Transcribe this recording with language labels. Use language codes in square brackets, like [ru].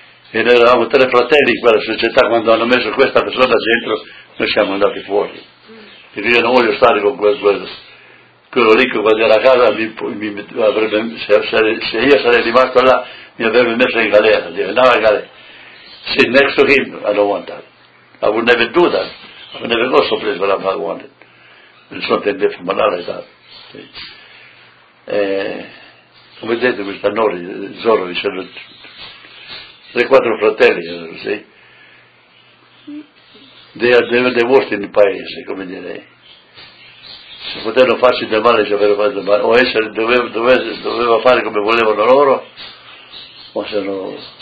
[it] E noi eravamo tre fratelli in quella società, quando hanno messo questa persona dentro noi siamo andati fuori, e io non voglio stare con quello ricco, quando era a casa se io sarei rimasto là mi avrebbe messo in galera, dice, andava in galera. Sì, [en] next to him, I don't want that. I would never do that. I would never go someplace where I'm not wanted. There's something different, but not like that. [it] Sì. Come vedete, mi stanno lì, Zorro, dicendo, tre, quattro fratelli, sì? [en] They were the worst in the paese, [it] come dire. Se potevano farsi del male, ci avrebbero fatto del male. O essere, doveva fare come volevano loro, o se no...